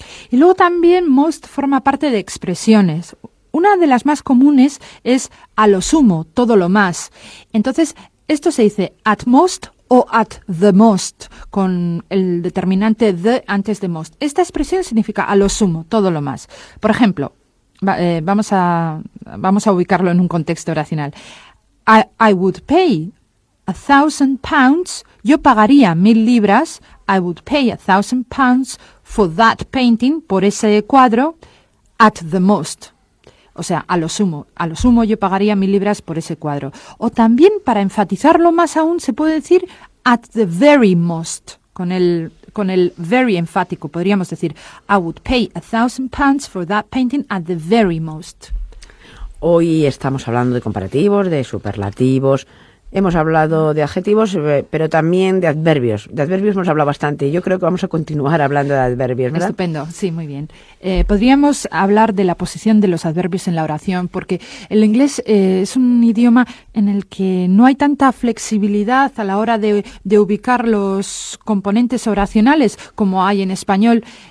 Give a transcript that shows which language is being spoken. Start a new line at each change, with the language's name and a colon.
Spanish: Y luego también most forma parte de expresiones. Una de las más comunes es a lo sumo, todo lo más. Entonces, esto se dice
English: at most
Spanish: o
English: at the most,
Spanish: con el determinante the antes de most. Esta expresión significa a lo sumo, todo lo más. Por ejemplo, vamos a ubicarlo en un contexto oracional.
English: I would pay 1,000 pounds,
Spanish: yo pagaría 1,000 libras,
English: I would pay 1,000 pounds for that painting,
Spanish: por ese cuadro,
English: at the most.
Spanish: O sea, a lo sumo yo pagaría 1,000 libras por ese cuadro. O también, para enfatizarlo más aún, se puede decir
English: at the very most,
Spanish: con el very enfático. Podríamos decir,
English: I would pay 1,000 pounds for that painting at the very most.
Spanish: Hoy estamos hablando de comparativos, de superlativos. Hemos hablado de adjetivos, pero también de adverbios. De adverbios hemos hablado bastante y yo creo que vamos a continuar hablando de adverbios, ¿verdad? Estupendo, sí, muy bien. Podríamos hablar de la posición de los adverbios en la oración, porque el inglés es un idioma en el que no hay tanta flexibilidad a la hora de ubicar los componentes oracionales como hay en español.